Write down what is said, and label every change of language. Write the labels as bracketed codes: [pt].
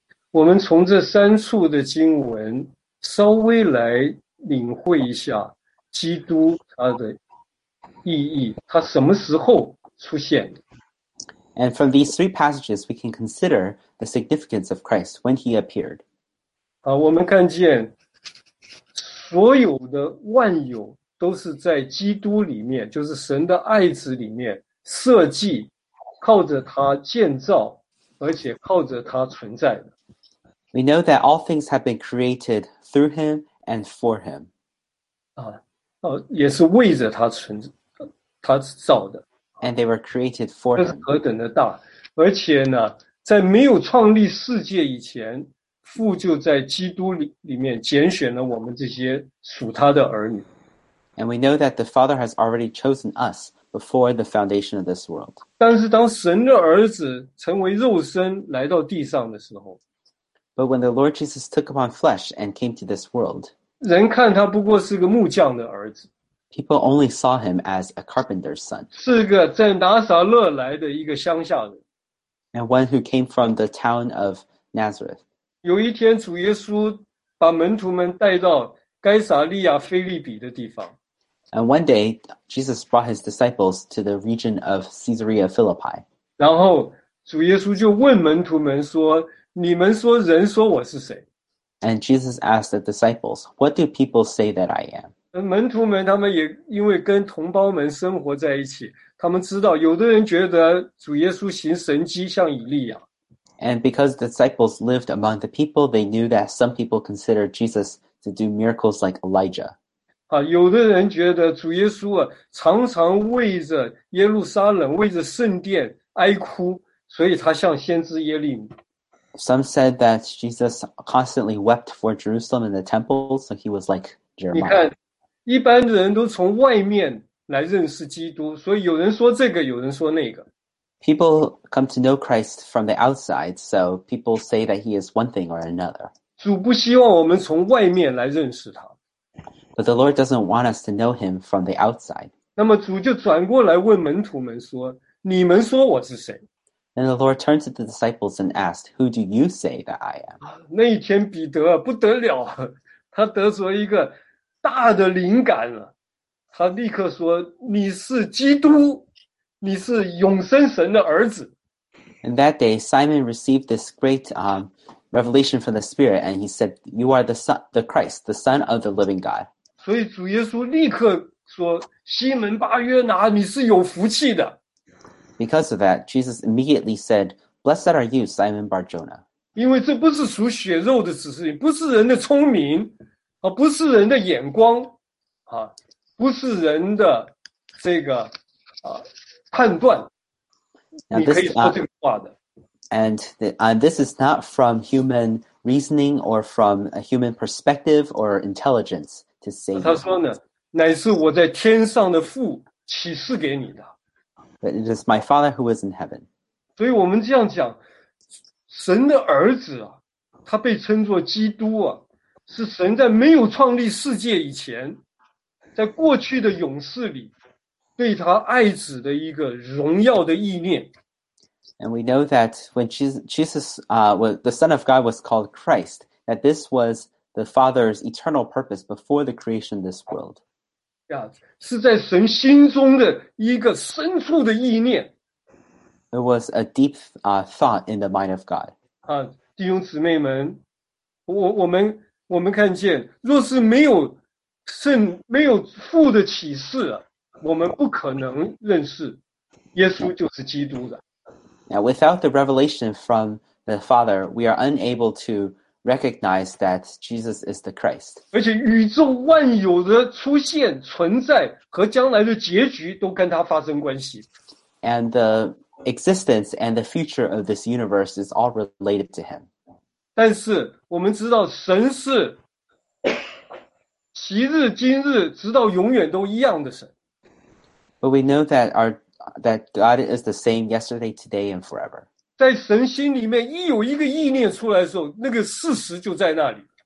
[zh] 我们从这三处的经文稍微来领会一下基督他的意义，他什么时候出现的。 [en] And from these three passages, we can consider the significance of Christ when he appeared. [zh] 我们看见所有的万有都是在基督里面，就是神的爱子里面设计，靠着他建造，而且靠着他存在的。 [en] We know that all things have been created through him and for him. [zh] 也是为着他存在。他造的 [en] ，and they were created for him. [zh] 这是何等的大！而且呢，在没有创立世界以前，父就在基督里面拣选了我们这些属他的儿女。 [en] And we know that the Father has already chosen us before the foundation of this world. [zh] 但是当神的儿子成为肉身来到地上的时候 [en] ，But when the Lord Jesus took upon flesh and came to this world, [zh] 人看他不过是个木匠的儿子。 [en] People only saw him as a carpenter's son. [zh] 是个在拿撒勒来的一个乡下人。 [en] And one who came from the town of Nazareth. [zh] 有一天主耶稣把门徒们带到该撒利亚腓立比的地方。 [en] And one day, Jesus brought his disciples to the region of Caesarea Philippi. [zh] 然后主耶稣就问门徒们说，你们说人说我是谁？ [en] And Jesus asked the disciples, what do people say that I am? [zh] 门徒们他们也因为跟同胞们生活在一起，他们知道有的人觉得主耶稣行神迹像以利亚。 [en] And because the disciples lived among the people, they knew that some people considered Jesus to do miracles like Elijah. [zh] 有的人觉得主耶稣啊，常常为着耶路撒冷，为着圣殿哀哭，所以他像先知耶利米。 [en] Some said that Jesus constantly wept for Jerusalem and the temple, so he was like Jeremiah. [zh] 你看一般的人都从外面来认识基督，所以有人说这个，有人说那个。 [en] People come to know Christ from the outside, so people say that he is one thing or another. [zh] 主不希望我们从外面来认识他。 [en] But the Lord doesn't want us to know him from the outside. [zh] 那么主就转过来问门徒们说，你们说我是谁？ [en] And the Lord turned to the disciples and asked, who do you say that I am? [zh] 那一天彼得不得了，他得着一个大的灵感了。他立刻说，你是基督，你是永生神的儿子。 [en] And that day, Simon received this great revelation from the Spirit, and he said, you are the Son, the Christ, the Son of the living God. [zh] 所以主耶稣立刻说，西门巴约拿，你是有福气的。 [en] Because of that, Jesus immediately said, blessed are you, Simon Barjona. [zh] 因为这不是属血肉的指示，不是人的聪明，不是人的眼光，不是人的这个判断。 [en] Now this, and the, this is not from human reasoning or from a human perspective or intelligence to say. [zh] 他说呢，乃是我在天上的父启示给你的。 [en] But it is my Father who is in heaven. [zh] 所以我们这样讲，神的儿子啊，他被称作基督啊，是神在没有创立世界以前，在过去的永世里。对他爱子的一个荣耀的意念。 [en] And we know that when Jesus, the Son of God was called Christ, that this was the Father's eternal purpose before the creation of this world. [zh] Yeah, 是在神心中的一个深处的意念。 [en] It was a deep, thought in the mind of God. [zh] 弟兄姊妹们，我们看见，若是没有圣，没有父的启示啊。我们不可能认识耶稣就是基督的。 [en] Now, without the revelation from the Father, we are unable to recognize that Jesus is the Christ. [zh] 而且宇宙万有的出现、存在和将来的结局都跟他发生关系。 [en] And the existence and the future of this universe is all related to him. [zh] 但是我们知道神是昔日、今日、直到永远都一样的神。 [en] But we know that our that God is the same yesterday, today, and forever. [zh] 在神心里面一有一个意念出来的时候，那个事实就在那里。